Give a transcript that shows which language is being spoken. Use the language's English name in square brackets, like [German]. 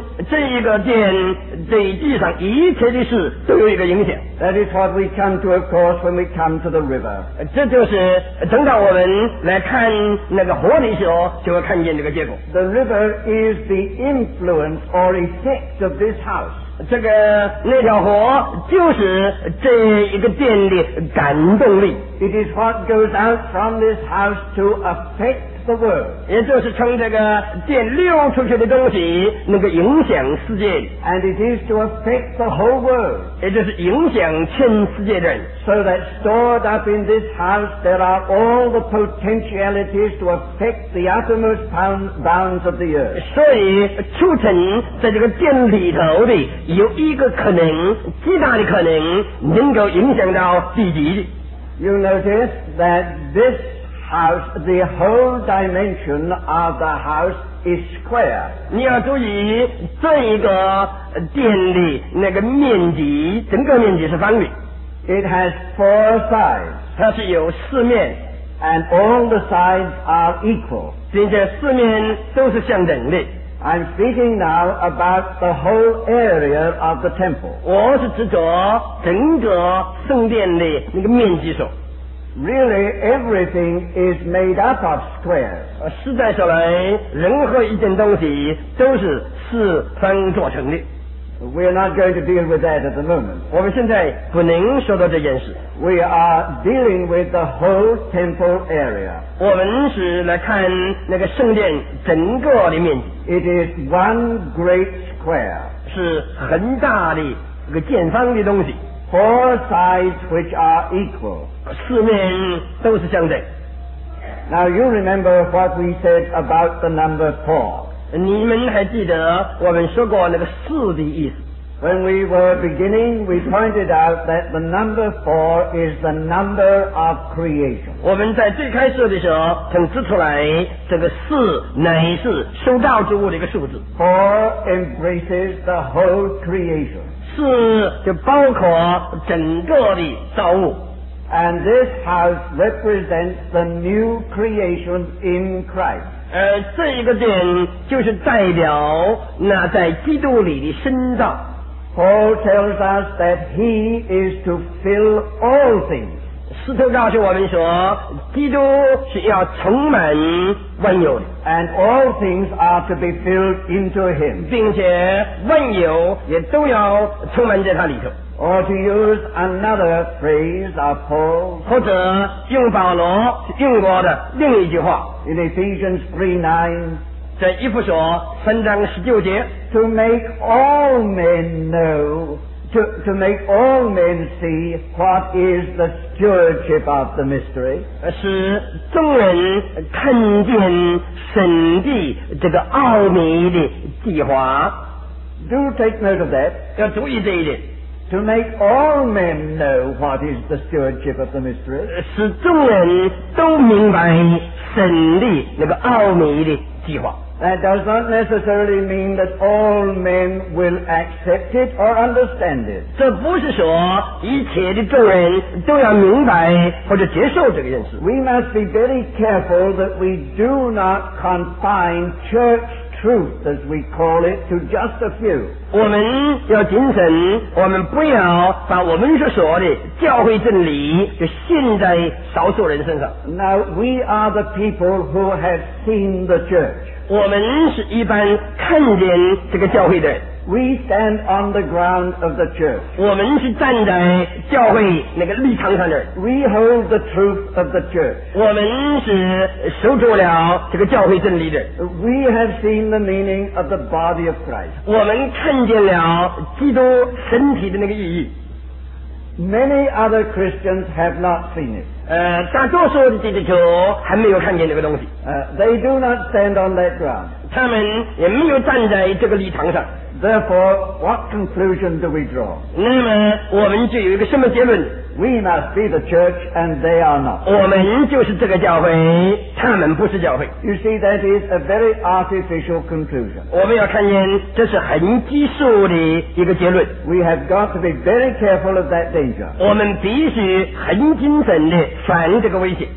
[Chinese] 这一个殿对地上一切的事都有一个影响。 [English] That is what we come to, of course, when we come to the river. [Chinese] 这就是等到我们来看那个河的时候，就会看见这个结果。 [English] The river is the influence or effect of this house. [Chinese] 这个那条河就是这一个殿的感动力。 [English] It is what goes out from this house to affect. The world. [Chinese] 也就是从这个电流出去的东西能够影响世界。 [English] And it is to affect the whole world. [Chinese] 也就是影响全世界的人。 [English] So that stored up in this house there are all the potentialities to affect the uttermost bounds of the earth. [Chinese] 所以储存在这个电里头的有一个可能，极大的可能能够影响到地极。 [English] You notice that thishouse, the whole dimension of the house is square. [Chinese] 你要注意这一个殿的那个面积，整个面积是方的。 [English] It has four sides. [Chinese] 它是有四面。 [English] And all the sides are equal. [Chinese] 并且四面都是相等的。 [English] I'm speaking now about the whole area of the temple. [Chinese] 我是指着整个圣殿的那个面积说。 [English] Really, everything is made up of squares. [Chinese] 实在说来，任何一件东西都是四方做成的。 [English] We are not going to deal with that at the moment. [Chinese] 我们现在不能说到这件事。 [English] We are dealing with the whole temple area. [Chinese] 我们是来看那个圣殿整个的面积。 [English] It is one great square. [Chinese] 是很大的一个见方的东西。 [English] Four sides which are equal. [Chinese] 四面都是相等。 [English] Now you remember what we said about the number four. [Chinese] 你们还记得我们说过那个四的意思。 [English] When we were beginning, we pointed out that the number four is the number of creation. [Chinese] 我们在最开始的时候曾指出来，这个四乃是受造之物的一个数字。 [English] Four embraces the whole creation. [Chinese] 是就包括整个的造物。 [English] And this house represents the new creation in Christ. [Chinese] 这一个殿就是代表那在基督里的新造。 [English] Paul tells us that he is to fill all things. [Chinese] 使徒告诉我们说，基督是要充满万有的。 [English] And all things are to be filled into him. [Chinese] 并且万有也都要充满在他里头。 [English] Or to use another phrase of Paul. [Chinese] 或者用保罗用过的另一句话。 [English] In Ephesians 3:9. [Chinese] 在以弗所三章十九节。 [English] To make all men know, to make all men see what is the stewardship of the mystery. [Chinese] 使众人看见神的这个奥秘的计划。 [English] Do take note of that. [Chinese] 要注意这一点。 [English] To make all men know what is the stewardship of the mystery. [Chinese] 使众人都明白神的那个奥秘的计划。 [English] That does not necessarily mean that all men will accept it or understand it. [Chinese] 这不是说一切的众人都要明白或者接受这个认识。 [English] We must be very careful that we do not confine church truth, as we call it, to just a few. [Chinese] 我们要谨慎，我们不要把我们所说的教会真理就信在少数人身上。 [English] Now, we are the people who have seen the church. [Chinese] 我们是一般看见这个教会的人。 [English] We stand on the ground of the church. [Chinese] 我们是站在教会那个立场上的。 [English] We hold the truth of the church. [Chinese] 我们是守住了这个教会真理的。 [English] We have seen the meaning of the body of Christ. [Chinese] 我们看见了基督身体的那个意义。 [English] Many other Christians have not seen it. [Chinese] 大多数的基督徒还没有看见这个东西。 [English] They do not stand on that ground. [Chinese] 他们也没有站在这个立场上。 [English] Therefore, what conclusion do we draw? [Chinese] 那么我们就有一个什么结论？ [English] We must be the church and they are not. [Chinese] 我们就是这个教会，他们不是教会。 [English] You see, that is a very artificial conclusion. [Chinese] 我们要看见这是很基础的一个结论。 [English] We have got to be very careful of that danger. [Chinese] 我们必须很谨慎地反这个威胁。